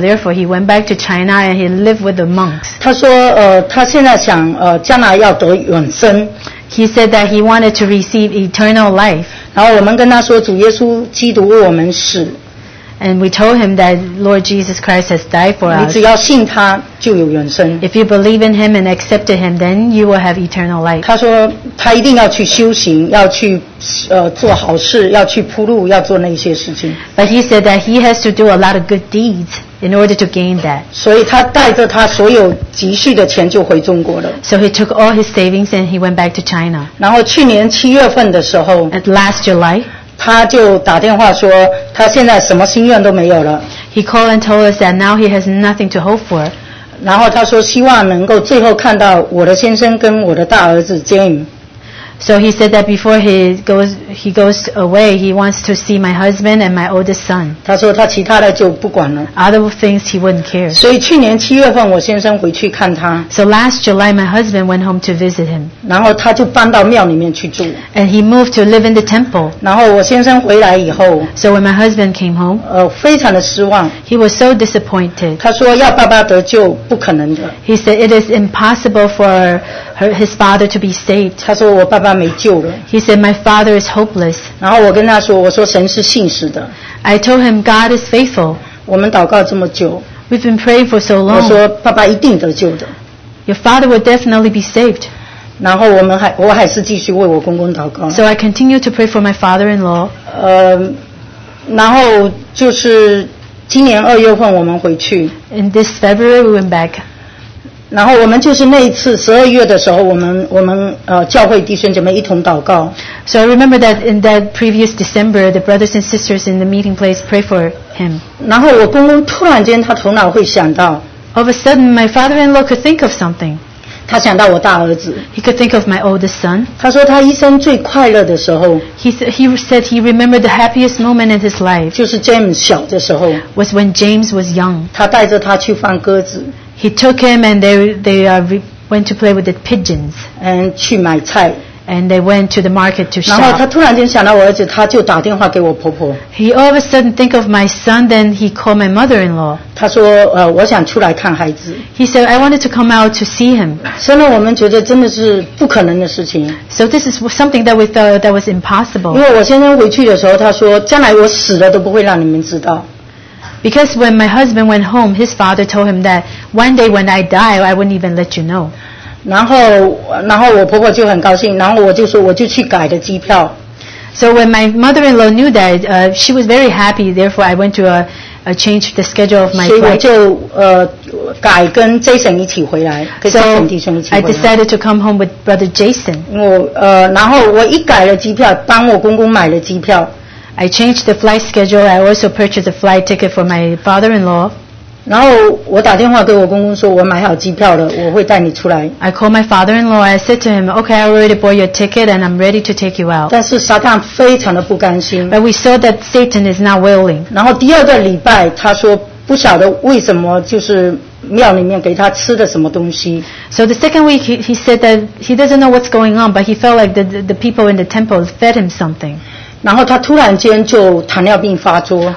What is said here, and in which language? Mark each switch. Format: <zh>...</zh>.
<en>Therefore, he went back to China and he lived with the monks.</en> <zh>他说他现在想将来要得永生。</zh> <en>He said that he wanted to receive eternal life.</en> <zh>然后我们跟他说主耶稣基督为我们死。</zh> <en>And we told him that Lord Jesus Christ has died for us.</en> <zh>你只要信他就有永生。</zh> <en>If you believe in him and accept him, then you will have eternal life.</en> <zh>他说他一定要去修行，要去做好事，要去铺路，要做那些事情。</zh> <en>But he said that he has to do a lot of good deeds in order to gain that.</en> <zh>所以他带着他所有积蓄的钱就回中国了。</zh> <en>So he took all his savings and he went back to China.</en> <zh>然后去年七月份的时候</zh> <en>，At last July.</en> <zh>他就打电话说他现在什么心愿都没有了。</zh> <en>He called and told us that now he has nothing to hope for.</en> <zh>然后他说希望能够最后看到我的先生跟我的大儿子 James.</zh> <en>So he said that before he goes away, he wants to see my husband and my oldest son.</en> <zh>他说他其他的就不管了。</zh> <en>Other things he wouldn't care.</en> <zh>所以去年七月份我先生回去看他。</zh> <en>So last July, my husband went home to visit him.</en> <zh>然后他就搬到庙里面去住。</zh> <en>And he moved to live in the temple.</en> <zh>然后我先生回来以后。</zh> <en>So when my husband came home,</en> <zh>非常的失望。</zh> <en>He was so disappointed.</en> <zh>他说要爸爸得救不可能的。</zh> <en>He said it is impossible for his father to be saved.</en> <zh>他说我爸爸没救了。</zh> <en>He said my father is hopeless.</en> <zh>然后我跟他说，我说神是信实的。</zh> <en>I told him God is faithful.</en> <zh>我们祷告这么久。</zh> <en>We've been praying for so long.</en> <zh>我说爸爸一定得救的。</zh> <en>Your father will definitely be saved.</en> <zh>然后我还是继续为我公公祷告。</zh> <en>So I continue to pray for my father-in-law.</en> <zh>然后就是今年二月份我们回去。</zh> <en>In this February we went back.</en> <zh>然后我们就是那一次十二月的时候，我们教会弟兄姐妹一同祷告。</zh> <en>So I remember that in that previous December, the brothers and sisters in the meeting place pray for him.</en> <zh>然后我公公突然间他头脑会想到。</zh> <en>All of a sudden, my father-in-law could think of something.</en> <zh>他想到我大儿子。</zh> <en>He could think of my oldest son.</en> <zh>他说他一生最快乐的时候。</zh> <en>He said he remembered the happiest moment in his life.</en> <zh>就是 James 小的时候。</zh> <en>Was when James was young.</en> <zh>他带着他去放鸽子。</zh> <en>He took him and they went to play with the pigeons.</en> <zh>And 去买菜。</zh> <en>And they went to the market to shop.</en> <zh>然后他突然间想到我儿子，他就打电话给我婆婆。</zh> <en>He all of a sudden think of my son, then he called my mother-in-law.</en> <zh>他说我想出来看孩子。</zh> <en>He said I wanted to come out to see him.</en> <zh>虽然我们觉得真的是不可能的事情。</zh> <en>So this is something that we thought that was impossible.</en> <zh>因为我先生回去的时候，他说将来我死了都不会让你们知道。</zh> <en>Because when my husband went home, his father told him that one day when I die, I wouldn't even let you know.</en> <zh>然后我婆婆就很高兴，然后我就说我就去改的机票。</zh> <en>So when my mother-in-law knew that, she was very happy, therefore I went to change the schedule of my flight.</en> <zh>所以我就改跟 Jason 一起回来，跟 Jason 弟兄一起回来。</zh> <en>I decided to come home with brother Jason.</en> <zh>然后我一改了机票，帮我公公买了机票。</zh> <en>I changed the flight schedule. I also purchased a flight ticket for my father-in-law.</en> <zh>然后我打电话给我公公说，我买好机票了，我会带你出来。</zh> <en>I called my father-in-law. I said to him, "Okay, I already bought your ticket, and I'm ready to take you out."</en> <zh>但是撒旦非常的不甘心。</zh> <en>But we saw that Satan is not willing.</en> <zh>然后第二个礼拜，他说不晓得为什么就是。庙里面给他吃的什么东西。</zh> <en>So the second week he said that he doesn't know what's going on, but he felt like the people in the temple fed him something.</en> <zh>然后他突然间就糖尿病发作。</zh>